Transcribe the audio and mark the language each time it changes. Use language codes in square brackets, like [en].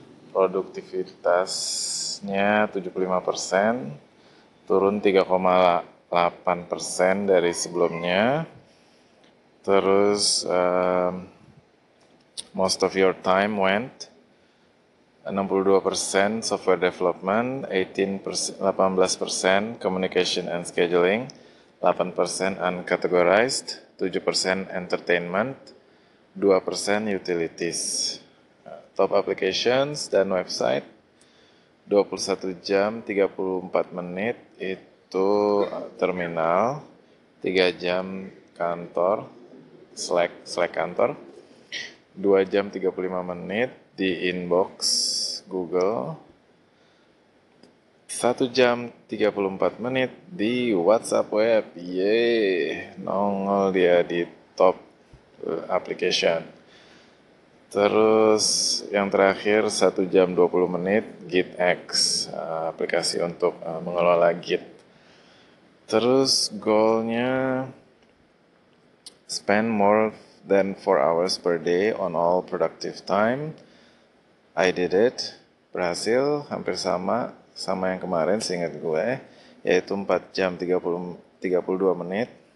[id] Produktivitasnya 75%, turun 3,8% dari sebelumnya. [en] Terus, most of your time went 62% software development, 18% communication and scheduling, 8% uncategorized, 7% entertainment, 2% utilities. [id] Top applications dan website, 21 jam 34 menit itu terminal, 3 jam kantor, Slack kantor, 2 jam 35 menit di inbox Google, 1 jam 34 menit di WhatsApp web. Yeay, nongol dia di top application. Terus yang terakhir 1 jam 20 menit GitX, aplikasi untuk mengelola Git. [en] Terus goalnya spend more than 4 hours per day on all productive time. I did it, [id] berhasil, hampir sama yang kemarin seingat gue, yaitu 4 jam 32 menit.